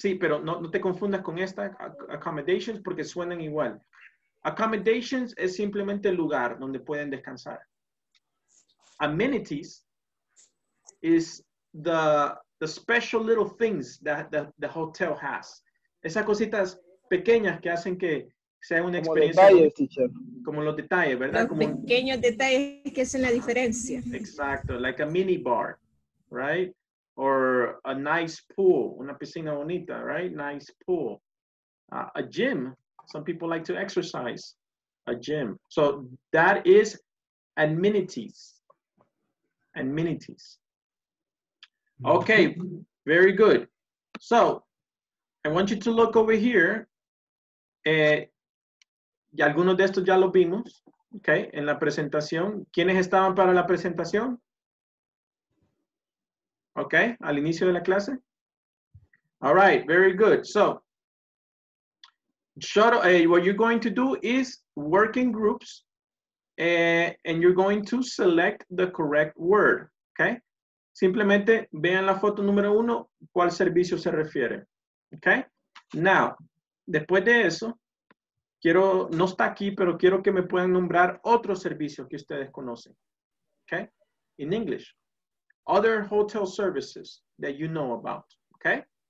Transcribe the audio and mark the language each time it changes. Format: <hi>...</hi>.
<es>Sí, pero no te confundas con esta accommodations porque suenan igual. Accommodations es simplemente el lugar donde pueden descansar.</es> <en>Amenities is the special little things that the hotel has.</en> <es>Esas cositas pequeñas que hacen que sea una experiencia. Como detalles, teacher. Como los detalles, ¿verdad? Los pequeños detalles que hacen la diferencia.</es> <en>Exacto, like a mini bar, right? Or a nice pool,</en> <es>una piscina bonita,</es> <en>right? Nice pool. A gym, some people like to exercise. A gym. So that is amenities. Okay, very good. So, I want you to look over here.</en> <es>Y algunos de estos ya los vimos. Okay, en la presentación. ¿Quiénes estaban para la presentación? Okay, al inicio de la clase.</es> <en>All right, very good. So, what you're going to do is work in groups and you're going to select the correct word, okay?</en> <es>Simplemente vean la foto número uno, cuál servicio se refiere, okay? Now, después de eso, quiero, no está aquí, pero quiero que me puedan nombrar otro servicio que ustedes conocen, okay?</es> <en>In English, other hotel services that you know about, okay?</en>